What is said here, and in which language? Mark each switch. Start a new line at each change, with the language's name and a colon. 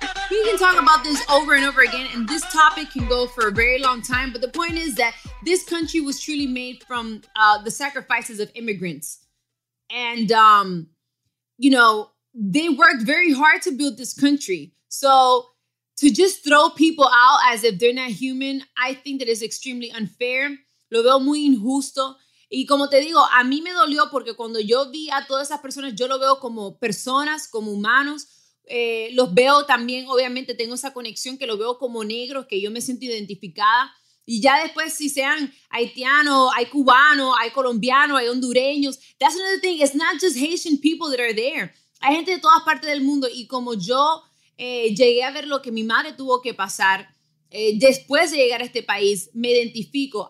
English: We can talk about this over and over again, and this topic can go for a very long time, but the point is that this country was truly made from the sacrifices of immigrants. And, you know, they worked very hard to build this country. So to just throw people out as if they're not human, I think that is extremely unfair.
Spanish: Lo veo muy injusto. Y como te digo, a mí me dolió porque cuando yo vi a todas esas personas, yo lo veo como personas, como humanos. Los veo también, obviamente, tengo esa conexión que lo veo como negros, que yo me siento identificada. Y ya después, si sean haitianos, hay cubanos, hay colombianos, hay hondureños.
English: That's another thing. It's not just Haitian people that are there.
Spanish: Hay gente de todas partes del mundo. Y como yo llegué a ver lo que mi madre tuvo que pasar después de llegar a este país, me identifico.